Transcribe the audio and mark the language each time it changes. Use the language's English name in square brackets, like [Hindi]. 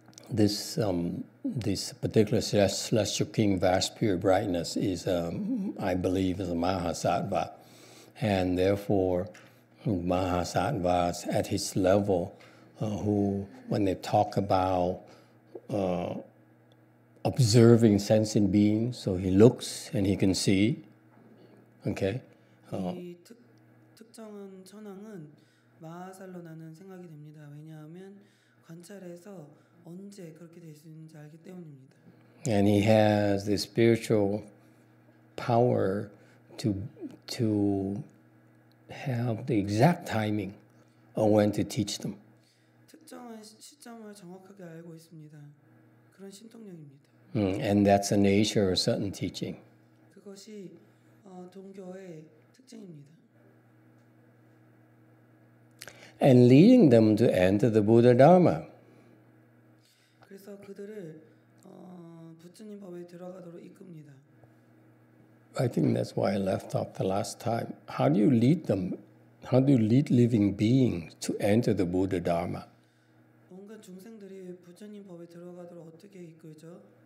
[English] This particular celestial king, vast pure brightness, is I believe is a Mahasattva, and therefore Mahasattvas at his level, who when they talk about observing sentient beings, so he looks and he can see, okay. [Korean] 특정한 천왕은 마하살로나는 생각이 됩니다. 왜냐하면 관찰해서 언제 그렇게 될 수 있는지 알기 때문입니다. [English] And he has the spiritual power to have the exact timing on when to teach them. [Korean] 특정한 시점을 정확하게 알고 있습니다. 그런 신통력입니다. [English] And that's the nature of certain teaching. [Korean] 그것이 동교의 특징입니다. [English] And leading them to enter the Buddha Dharma. [Korean] 그래서 그들을 부처님 법에 들어가도록 이끕니다. [English] I think that's why I left off the last time. How do you lead them? How do you lead living beings to enter the Buddha Dharma? [Korean] 뭔가 중생들이 부처님 법에 들어가도록 어떻게 이끌죠?